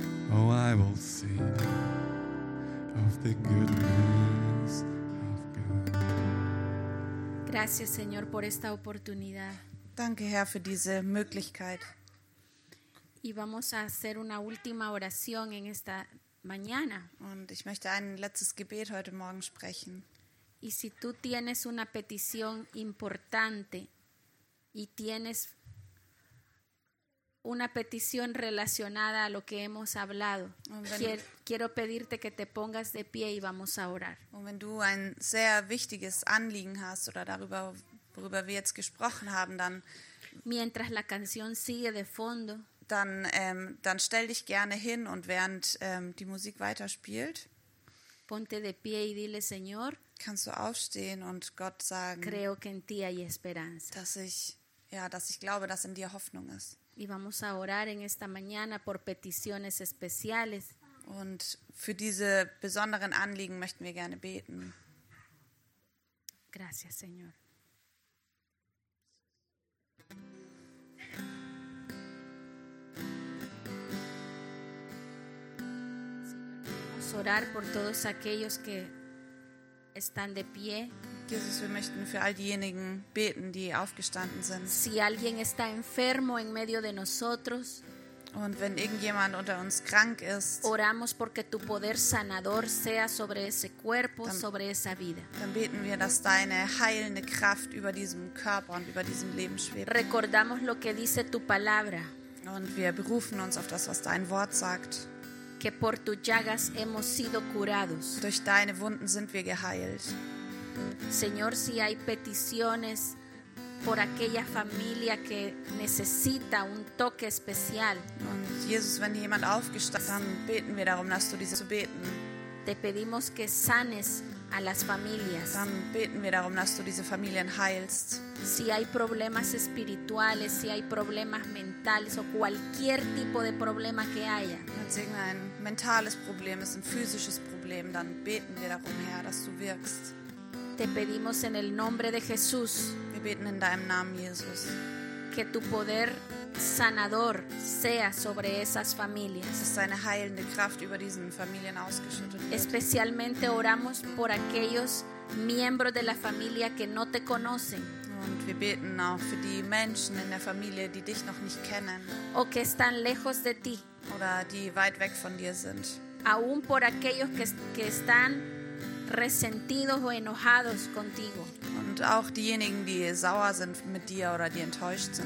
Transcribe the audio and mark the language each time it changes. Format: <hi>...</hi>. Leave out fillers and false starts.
<en>Oh, I will sing of the goodness of God.</en> <es>Gracias, Señor, por esta oportunidad.</es> <de>Danke, Herr, für diese Möglichkeit.</de> <es>Y vamos a hacer una última oración en esta mañana.</es> <de>Und ich möchte ein letztes Gebet heute Morgen sprechen.</de> <es>Y si tú tienes una petición importante y tienes una petición relacionada a lo que hemos hablado, quiero pedirte que te pongas de pie y vamos a orar.</es> <de>Und wenn du ein sehr wichtiges Anliegen hast oder darüber, worüber wir jetzt gesprochen haben, dann</de> <es>mientras la canción sigue de fondo,</es> <de>dann stell dich gerne hin und während die Musik weiterspielt,</de> <es>ponte de pie y dile, Señor,</es> <de>kannst du aufstehen und Gott sagen,</de> <es>creo que en ti hay esperanza.</es> <de>Dass ich glaube, dass in dir Hoffnung ist.</de> <es>Y vamos a orar en esta mañana por peticiones especiales.</es> <de>Und für diese besonderen Anliegen möchten wir gerne beten.</de> <es>Gracias, Señor. Orar por todos aquellos que están de pie.</es> <de>Jesus, wir möchten für all diejenigen beten, die aufgestanden sind.</de> <es>Si alguien está enfermo en medio de nosotros,</es> <de>und wenn irgendjemand unter uns krank ist,</de> <es>oramos porque tu poder sanador sea sobre ese cuerpo, dann, sobre esa vida.</es> <de>Dann beten wir, dass deine heilende Kraft über diesem Körper und über diesem Leben schwebt.</de> <es>Recordamos lo que dice tu palabra.</es> <de>Und wir berufen uns auf das, was dein Wort sagt.</de> <es>Que por tus llagas hemos sido curados.</es> <de>Durch deine Wunden sind wir geheilt.</de> <es>Señor, si hay peticiones por aquella familia que necesita un toque especial.</es> <de>Und Jesus, wenn jemand aufgestanden, dann beten wir darum, dass du diese zu beten.</de> <es>Te pedimos que sanes a las familias.</es> <de>Dann beten wir darum, dass du diese Familien heilst.</de> <es>Si hay problemas espirituales, si hay problemas mentales o cualquier tipo de problema que haya.</es> <de>Wenn es ein mentales Problem ist, ein physisches Problem, dann beten wir darum, Herr, dass du wirkst.</de> <es>Te pedimos en el nombre de Jesús.</es> <de>Wir beten in deinem Namen, Jesus.</de> <es>Que tu poder sanador sea sobre esas familias.</es> <de>Dass deine heilende Kraft über diesen Familien ausgeschüttet wird.</de> <es>Especialmente oramos por aquellos miembros de la familia que no te conocen.</es> <de>Und wir beten auch für die Menschen in der Familie, die dich noch nicht kennen.</de> <es>O que están lejos de ti.</es> <de>Oder die weit weg von dir sind.</de> <es>Aún por aquellos que están resentidos o enojados contigo.</es> <de>Und auch diejenigen, die sauer sind mit dir oder die enttäuscht sind</de>